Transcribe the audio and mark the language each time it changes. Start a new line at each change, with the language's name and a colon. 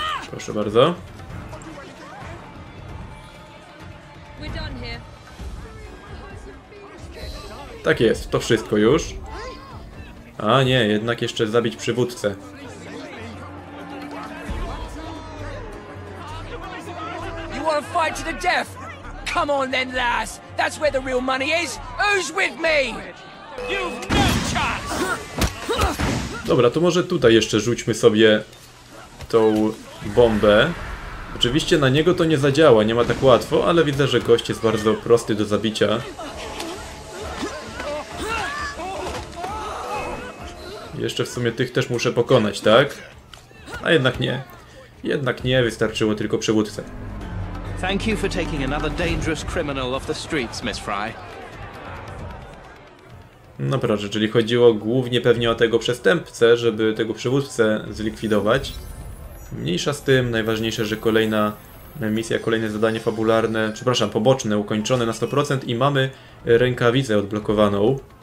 Polish: Proszę bardzo. Tak jest, to wszystko już. A nie, jednak jeszcze zabić przywódcę.
English: You wanna fight to the death? Come on then, lass. That's where the real money is. Who's with me? You've no chance.
Polish: Dobra, to może tutaj jeszcze rzućmy sobie tą bombę. Oczywiście na niego to nie zadziała, nie ma tak łatwo, ale widzę, że gość jest bardzo prosty do zabicia. Jeszcze w sumie tych też muszę pokonać, tak? A jednak nie. Jednak nie, wystarczyło tylko przywódcę.
English: Thank you for taking another dangerous criminal off the streets, Miss Fry.
Polish: No proszę, czyli chodziło głównie pewnie o tego przestępcę, żeby tego przywódcę zlikwidować. Mniejsza z tym, najważniejsze, że kolejna misja, kolejne zadanie fabularne, przepraszam, poboczne, ukończone na 100% i mamy rękawicę odblokowaną.